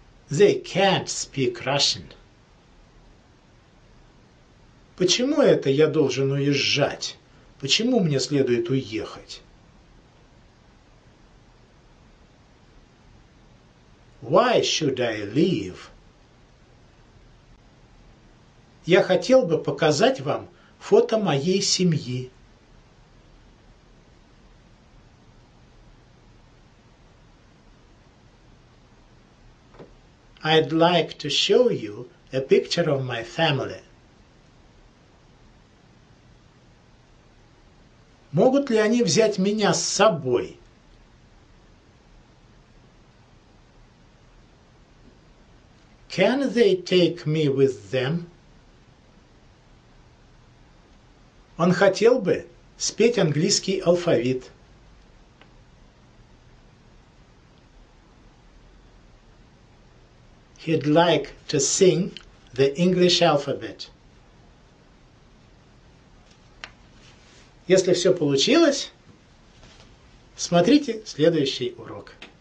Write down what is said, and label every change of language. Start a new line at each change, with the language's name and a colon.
English: They can't speak Russian.
Russian: Почему это я должен уезжать? Почему мне следует уехать?
English: Why should I leave?
Russian: Я хотел бы показать вам фото моей семьи.
English: I'd like to show you a picture of my family.
Russian: Могут ли они взять меня с собой?
English: Can they take me with them?
Russian: Он хотел бы спеть английский алфавит.
English: He'd like to sing the English alphabet.
Russian: Если все получилось, смотрите следующий урок.